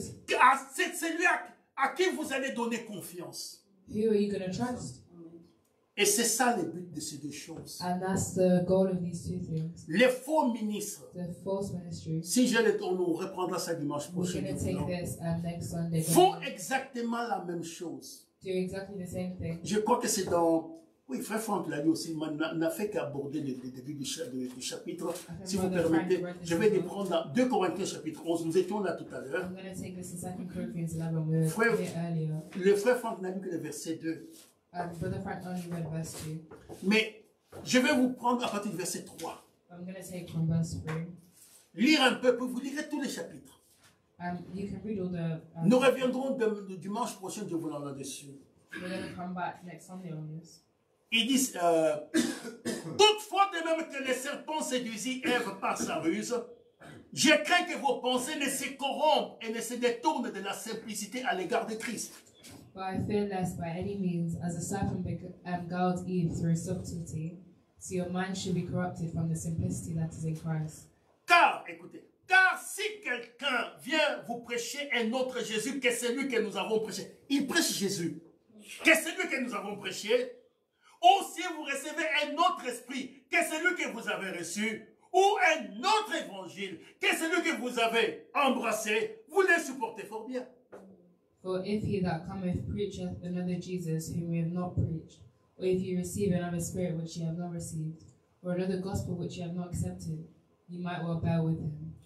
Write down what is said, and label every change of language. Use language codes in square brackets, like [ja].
[fr] C'est celui à qui vous allez donner confiance. [en] Who are you going to trust? [fr] Et c'est ça le but de ces deux choses. [en] And that's the goal of these two things. [fr] Les faux ministres. [en] The false ministry. [fr] Si je les tourne, on reprendra ça dimanche prochain. [en] We're going to take this next Sunday. [fr] Font exactement la même chose. [en] Do exactly the same thing. [fr] Je crois que c'est dans... Oui, Frère Franck l'a dit aussi. Il n'a fait qu'aborder le début du chapitre. Si vous permettez, je vais les prendre dans 2 Corinthiens chapitre 11. Nous étions là tout à l'heure. [en] I'm going to take this in 2 Corinthians 11. We're frère, earlier. [fr] Le Frère Franck n'a lu que le verset 2. [en] Brother Frank only read verse 2. [fr] Mais je vais vous prendre à partir du verset 3. [en] I'm going to take from verse 3. [fr] Lire un peu, vous lirez tous les chapitres. [en] You can read all the, [fr] nous reviendrons le dimanche prochain, Dieu voulant, là-dessus. [en] We're going to come back next Sunday on this. [fr] Ils disent, toutefois, de même que les serpents séduisit Ève par sa ruse, je crains que vos pensées ne se corrompent et ne se détournent de la simplicité à l'égard des tristes. [en] But I fear lest by any means, as a serpent beguiled Eve through subtlety, so your mind should be corrupted from the simplicity that is in Christ. [fr] Car, écoutez, car si quelqu'un vient vous prêcher un autre Jésus que celui que nous avons prêché, il prêche Jésus, que celui que nous avons prêché, ou si vous recevez un autre esprit que celui que vous avez reçu, ou un autre évangile que celui que vous avez embrassé, vous le supportez fort bien. [en] For if he that cometh preacheth another Jesus whom we have not preached, or if you receive another spirit which ye have not received, or another gospel which ye have not accepted, ye might well bear with him.